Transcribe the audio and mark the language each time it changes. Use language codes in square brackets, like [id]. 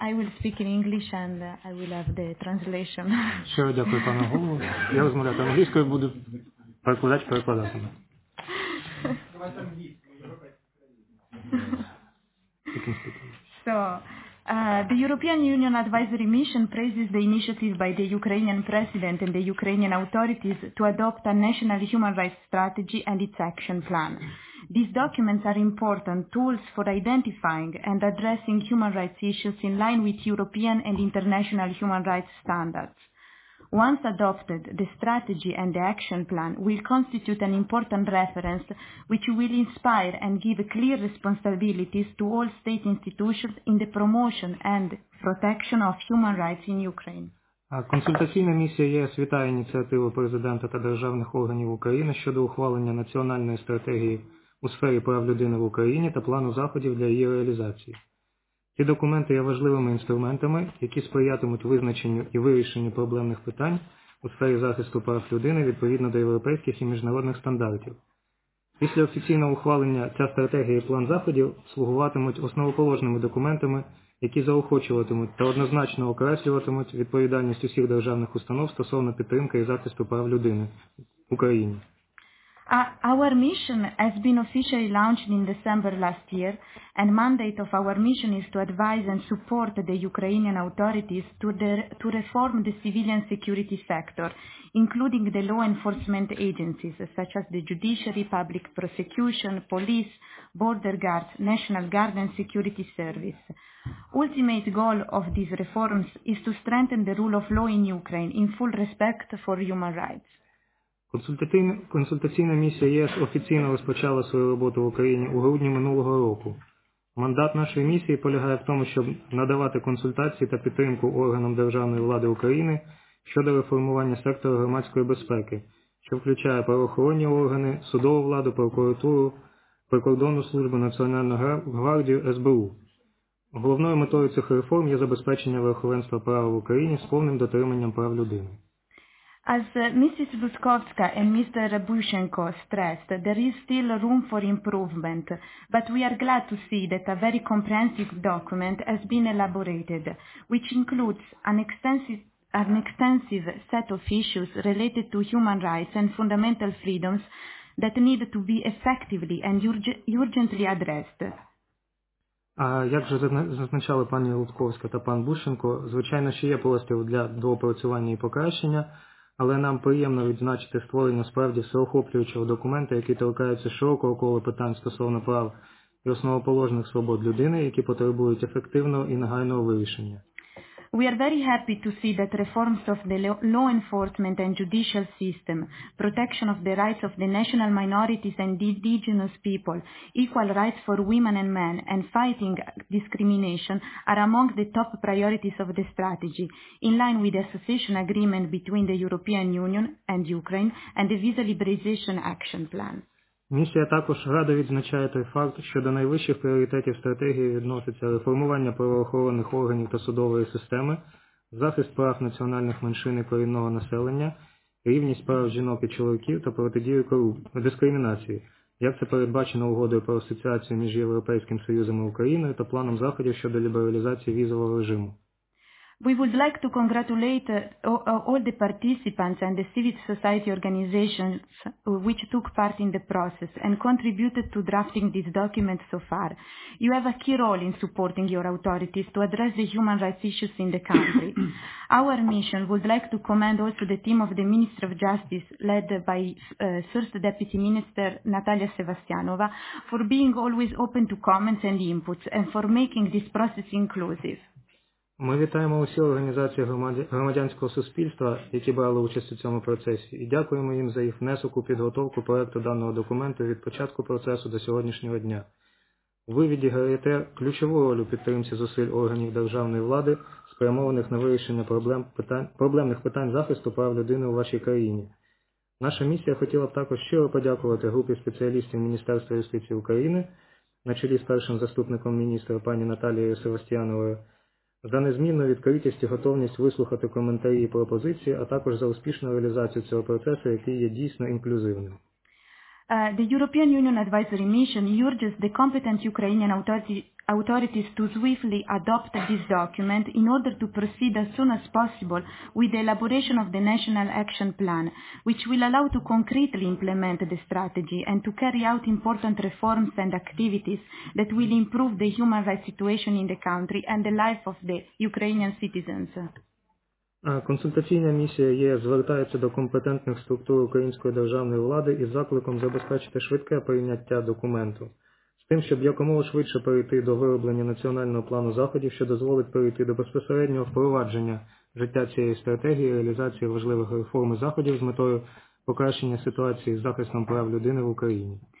[en] I will speak in English and I will have the translation. [uk] Щиро дякую, пане голово. Я розмовляю англійською, буду перекладати перекладатиму. [en] So, the European Union Advisory Mission praises the initiative by the Ukrainian President and the Ukrainian authorities to adopt a national human rights strategy and its action plan. These documents are important tools for identifying and addressing human rights issues in line with European and international human rights standards. Once adopted, the strategy and the action plan will constitute an important reference which will inspire and give clear responsibilities to all state institutions in the promotion and protection of human rights in Ukraine. [uk] Консультаційна місія ЄС вітає ініціативу президента та державних органів України щодо ухвалення національної стратегії у сфері прав людини в Україні та плану заходів для її реалізації. Ці документи є важливими інструментами, які сприятимуть визначенню і вирішенню проблемних питань у сфері захисту прав людини відповідно до європейських і міжнародних стандартів. Після офіційного ухвалення ця стратегія і план заходів слугуватимуть основоположними документами, які заохочуватимуть та однозначно окреслюватимуть відповідальність усіх державних установ стосовно підтримки і захисту прав людини в Україні. [en] Our mission has been officially launched in December last year, and mandate of our mission is to advise and support the Ukrainian authorities to reform the civilian security sector, including the law enforcement agencies, such as the judiciary, public prosecution, police, border guards, National Guard and Security Service. Ultimate goal of these reforms is to strengthen the rule of law in Ukraine in full respect for human rights. [uk] Консультаційна місія ЄС офіційно розпочала свою роботу в Україні у грудні минулого року. Мандат нашої місії полягає в тому, щоб надавати консультації та підтримку органам державної влади України щодо реформування сектору громадської безпеки, що включає правоохоронні органи, судову владу, прокуратуру, прикордонну службу, Національну гвардію, СБУ. Головною метою цих реформ є забезпечення верховенства права в Україні з повним дотриманням прав людини. [en] As Mrs. Luskovska and Mr. Rabushenko stressed, there is still room for improvement, but we are glad to see that a very comprehensive document has been elaborated, which includes an extensive set of issues related to human rights and fundamental freedoms that need to be effectively and urgently addressed. [uk] Як вже зазначали пані Луцковська та пан Бушенко, звичайно, ще є простір для доопрацювання і покращення, але нам приємно відзначити створення справді всеохоплюючого документа, який торкається широкого кола питань стосовно прав і основоположних свобод людини, які потребують ефективного і негайного вирішення. [en] We are very happy to see that reforms of the law enforcement and judicial system, protection of the rights of the national minorities and indigenous people, equal rights for women and men, and fighting discrimination are among the top priorities of the strategy, in line with the association agreement between the European Union and Ukraine and the Visa Liberalization Action Plan. [uk] Місія також рада відзначає той факт, що до найвищих пріоритетів стратегії відноситься реформування правоохоронних органів та судової системи, захист прав національних меншин і корінного населення, рівність прав жінок і чоловіків та протидію дискримінації, як це передбачено угодою про асоціацію між Європейським Союзом і Україною та планом заходів щодо лібералізації візового режиму. [en] We would like to congratulate all the participants and the civil society organizations which took part in the process and contributed to drafting this document so far. You have a key role in supporting your authorities to address the human rights issues in the country. Our mission would like to commend also the team of the Minister of Justice, led by First Deputy Minister Natalia Sevastianova, for being always open to comments and inputs and for making this process inclusive. [uk] Ми вітаємо усі організації громадянського суспільства, які брали участь у цьому процесі, і дякуємо їм за їх внесок у підготовку проекту даного документу від початку процесу до сьогоднішнього дня. Ви відіграєте ключову роль у підтримці зусиль органів державної влади, спрямованих на вирішення проблемних питань захисту прав людини у вашій країні. Наша місія хотіла б також щиро подякувати групі спеціалістів Міністерства юстиції України на чолі з першим заступником міністра пані Наталією Севастіановою, за незмінну відкритість і готовність вислухати коментарі і пропозиції, а також за успішну реалізацію цього процесу, який є дійсно інклюзивним. [en] The European Union Advisory Mission urges the competent Ukrainian authorities to swiftly adopt this document in order to proceed as soon as possible with the elaboration of the National Action Plan, which will allow to concretely implement the strategy and to carry out important reforms and activities that will improve the human rights situation in the country and the life of the Ukrainian citizens. [uk] Консультаційна місія ЄС звертається до компетентних структур української державної влади із закликом забезпечити швидке прийняття документу, з тим, щоб якомога швидше перейти до вироблення національного плану заходів, що дозволить перейти до безпосереднього впровадження життя цієї стратегії реалізації важливих реформ і заходів з метою покращення ситуації з захистом прав людини в Україні.